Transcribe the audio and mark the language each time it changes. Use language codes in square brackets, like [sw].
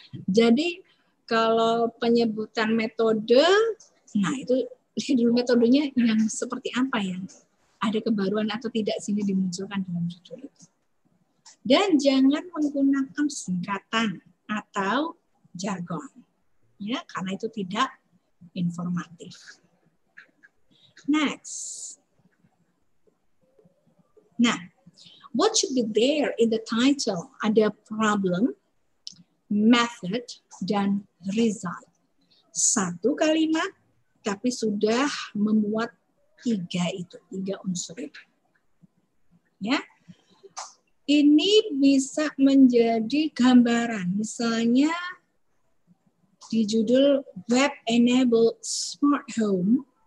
[id] Jadi kalau penyebutan metode, nah itu lihat dulu metodenya yang seperti apa ya. Ada kebaruan atau tidak sini dimunculkan dalam judul itu. Dan jangan menggunakan singkatan atau jargon. Ya, karena itu tidak informatif. [en] Next. Nah, what should be there in the title? [id] Ada problem, method, dan result. Satu kalimat, tapi sudah memuat tiga itu, tiga unsur itu. Ya. Ini bisa menjadi gambaran. Misalnya di judul [en] Web Enabled Smart Home.